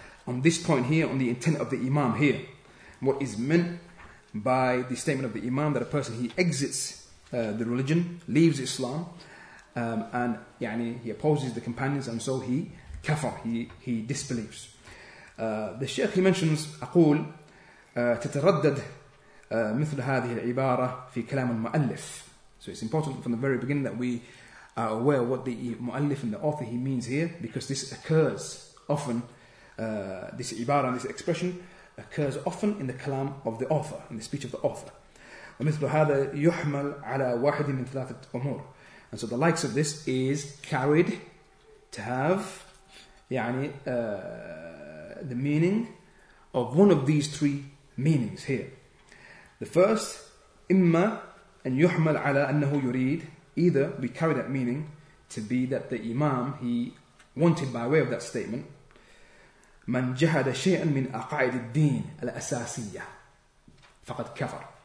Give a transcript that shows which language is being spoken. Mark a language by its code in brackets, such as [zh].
[en] On this point here, on the intent of the Imam here, what is meant by the statement of the Imam that a person, he exits the religion, leaves Islam, and [ar] يعني, [en] he opposes the companions, and so he kafir, he disbelieves. The Sheikh, he mentions, [ar] أقول تتردد مثل هذه العبارة في كلام المؤلف. [en] So it's important from the very beginning that we are aware what the mu'allif and the author he means here, because this occurs often, this ibarah and this expression occurs often in the kalam of the author, in the speech of the author. [ar] ومثل هذا يحمل على واحد من ثلاثة أمور. [en] And so the likes of this is carried to have [ar] يعني, [en] the meaning of one of these three meanings here. The first, [ar] إما أن يحمل على أنه يريد, [en] either we carry that meaning to be that the Imam, he wanted by way of that statement, [ar] من جهد شيئا من أقاعد الدين الأساسية فقد كفر.